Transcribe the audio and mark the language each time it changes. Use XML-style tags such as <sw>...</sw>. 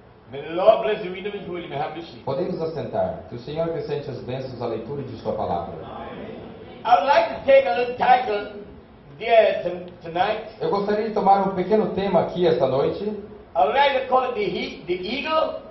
<en>May the Lord bless the reading of His word. May have the seat.</en> <pt>Podemos assentar. Que o Senhor acrescente as bênçãos à leitura de Sua palavra.</pt> <en>I would like to take a little title there tonight.</en> <pt>Eu gostaria de tomar um pequeno tema aqui esta noite.</pt> <en>I would like to call it the eagle.</en>